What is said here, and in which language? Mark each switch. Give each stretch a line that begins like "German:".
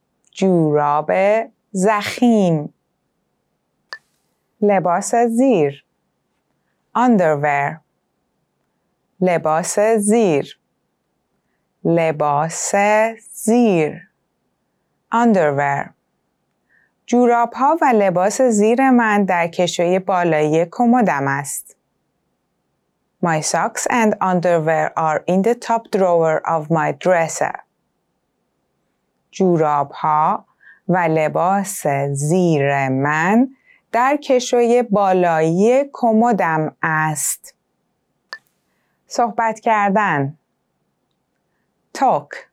Persian: جوراب ضخیم. لباس زیر, underwear. لباس زیر, لباس زیر, underwear. جوراب‌ها و لباس زیر من در کشوی بالایی کمدم است.
English: My socks and underwear are in the top drawer of my dresser.
Persian: جوراب‌ها و لباس زیر من در کشوی بالایی کمدم است. صحبت کردن, talk.